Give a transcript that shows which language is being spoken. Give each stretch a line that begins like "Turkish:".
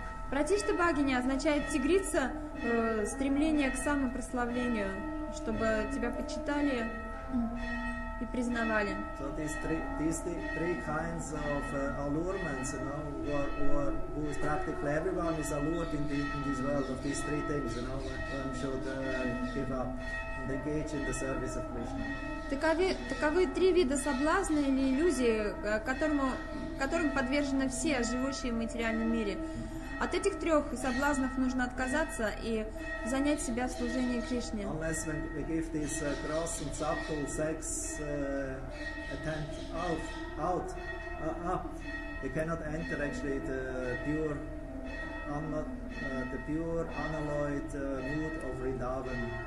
Russian: Pratishtha Bhagini означает тигрица, стремление к самопрославлению, чтобы тебя почитали и признавали.
English: So these three kinds of allurements, you know, who is practically everyone is allured in this world of these three things, you know, one should give up and engage in the service of Krishna.
Russian: Таковы три вида соблазна или иллюзии, которым подвержены все живущие в материальном мире. От этих трех соблазнов нужно отказаться и занять себя в служении Кришне.
English: Unless when we give this gross and subtle sex attempt up, you cannot enter actually the pure unalloyed mood of Vrindavan.